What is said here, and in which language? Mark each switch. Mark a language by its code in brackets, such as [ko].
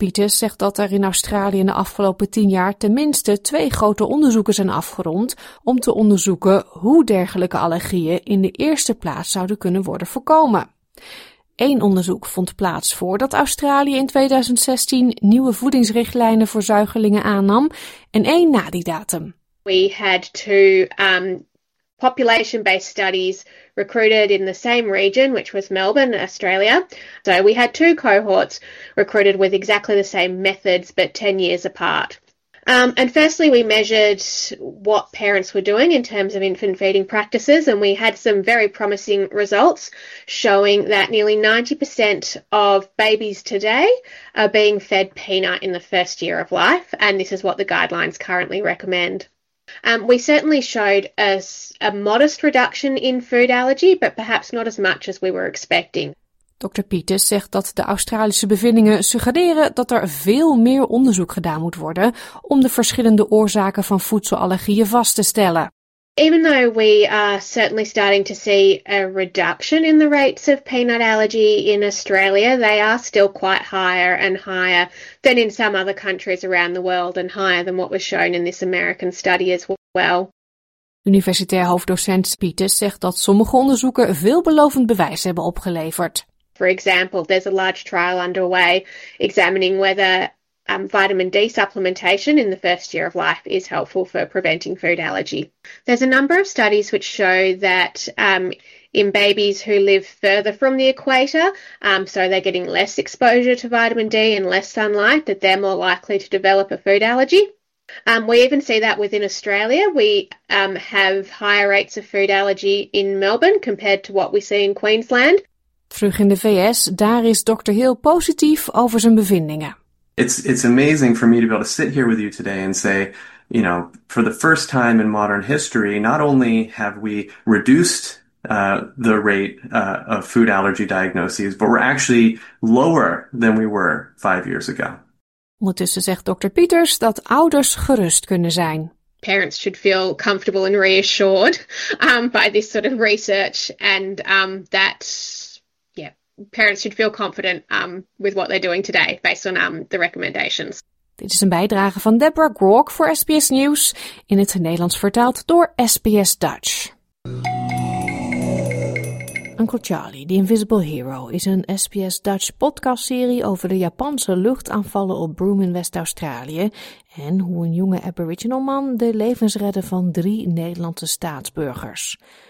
[nl] Peters zegt dat er in Australië in de afgelopen 10 jaar tenminste 2 grote onderzoeken zijn afgerond om te onderzoeken hoe dergelijke allergieën in de eerste plaats zouden kunnen worden voorkomen. 1 onderzoek vond plaats voordat Australië in 2016 nieuwe voedingsrichtlijnen voor zuigelingen aannam en 1 na die datum. [en] We had 2 population-based studies recruited in the same region, which was Melbourne, Australia. So we had 2 cohorts recruited with exactly the same methods, but 10 years apart. And firstly, we measured what parents were doing in terms of infant feeding practices, and we had some very promising results showing that nearly 90% of babies today are being fed peanut in the first year of life, and this is what the guidelines currently recommend. We certainly showed a modest reduction in food allergy, but perhaps not as much as we were expecting. [nl] Dr. Peters zegt dat de Australische bevindingen suggereren dat er veel meer onderzoek gedaan moet worden om de verschillende oorzaken van voedselallergieën vast te stellen. [en] Even though we are certainly starting to see a reduction in the rates of peanut allergy in Australia, they are still quite higher and higher than in some other countries around the world and higher than what was shown in this American study as well. [nl] Universitair hoofddocent Peters zegt dat sommige onderzoeken veelbelovend bewijs hebben opgeleverd. [en] For example, there's a large trial underway examining whether vitamin D supplementation in the first year of life is helpful for preventing food allergy. There's a number of studies which show that in babies who live further from the equator, so they're getting less exposure to vitamin D and less sunlight, that they're more likely to develop a food allergy. We even see that within Australia. We have higher rates of food allergy in Melbourne compared to what we see in Queensland. [nl] Terug in de VS, daar is Dr. Hill positief over zijn bevindingen. [en] It's amazing for me to be able to sit here with you today and say, you know, for the first time in modern history, not only have we reduced the rate of food allergy diagnoses, but we're actually lower than we were 5 years ago. [nl] Ondertussen zegt Dr. Peters dat ouders gerust kunnen zijn. [en] Parents should feel comfortable and reassured by this sort of research and that. Parents should feel confident with what they're doing today, based on the recommendations. [nl] Dit is een bijdrage van Deborah Grok voor SBS News, in het Nederlands vertaald door SBS Dutch. Uncle Charlie, The Invisible Hero, is een SBS Dutch podcastserie over de Japanse luchtaanvallen op Broome in West-Australië en hoe een jonge Aboriginal man de levens redde van 3 Nederlandse staatsburgers.